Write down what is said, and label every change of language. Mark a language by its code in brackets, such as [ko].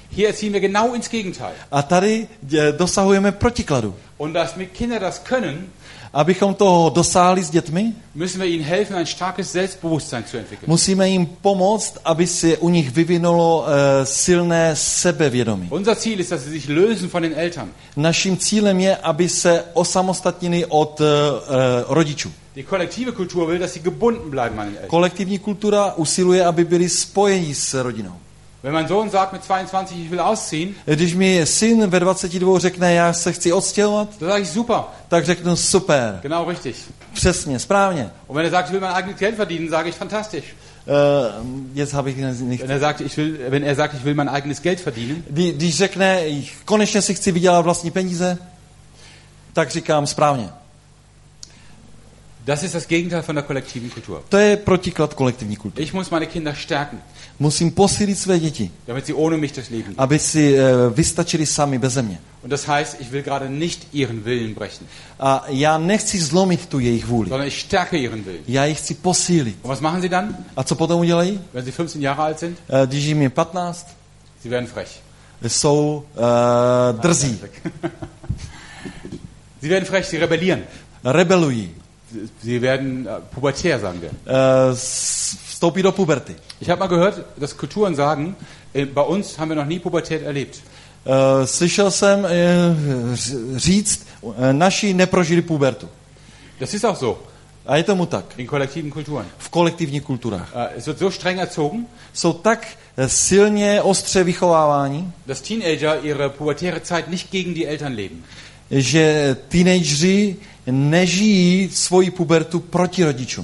[de] Hier erziehen wir genau ins Gegenteil. [cs] A tady dosahujeme protikladu. [de] Und dass my Kinder das können, [cs] abychom toho dosáhli s dětmi, [de] müssen wir ihnen helfen, ein starkes Selbstbewusstsein zu entwickeln. [cs] Musíme jim pomoct, aby se u nich vyvinulo silné sebevědomí. [de] Unser Ziel ist, dass sie sich lösen von den Eltern. [cs] Naším cílem je, aby se osamostatnili od rodičů. [de] Die kollektive Kultur will, dass sie gebunden bleiben an den Eltern. [cs] Kolektivní kultura usiluje, aby byli spojeni s rodinou. [de] Wenn mein Sohn sagt mit 22, ich will ausziehen. [cs] Když mi syn ve 22 řekne, já se chci odstěhovat. [de] Dann sage ich super. [cs] Tak řeknu super. [de] Genau richtig. [cs] Přesně, správně. [de] Und wenn er sagt, ich will mein eigenes Geld verdienen, sage ich fantastisch. Jetzt habe ich nicht. Wenn er sagt, ich will mein eigenes Geld verdienen. [cs] Když řekne, [de] ich [cs] konečně si chci vydělat vlastní peníze. Tak říkám správně. [de] Das ist das Gegenteil von der kollektiven Kultur. [cs] To je protiklad kolektivní kultury. [de] Ich muss meine Kinder stärken. [cs] Musím posílit své děti. [de] Damit sie ohne mich das Leben. [cs] Aby si vystačili sami beze mě. [de] Und das heißt, ich will gerade nicht ihren Willen brechen. [cs] A já nechci zlomit tu jejich vůli. [de] Sondern ich stärke ihren Willen. [cs] Já je chci posílit. [de] Und was machen sie dann? [cs] A co potom udělají? [de] Wenn sie 15 Jahre alt sind? [cs] Když jim je 15. [de] Sie werden frech. [cs] Jsou drzí. [de] Sie werden frech, sie rebellieren. [cs] Rebelují. [de] Sie werden pubertär, sagen wir. [cs] Vstoupí do puberty. [de] Ich habe mal gehört, dass Kulturen sagen, bei uns haben wir noch nie Pubertät erlebt. [cs] Slyšel jsem říct, naši neprožili pubertu. [de] Das ist auch so. [cs] A je tomu tak. [de] In kollektiven Kulturen. [cs] V kolektivních kulturách. [de] Es wird so streng erzogen. [cs] Jsou tak silně ostře vychovávání. [de] Dass Teenager ihre pubertäre Zeit nicht gegen die Eltern leben. [cs] Že teenageři nežijí svoji pubertu proti rodičům.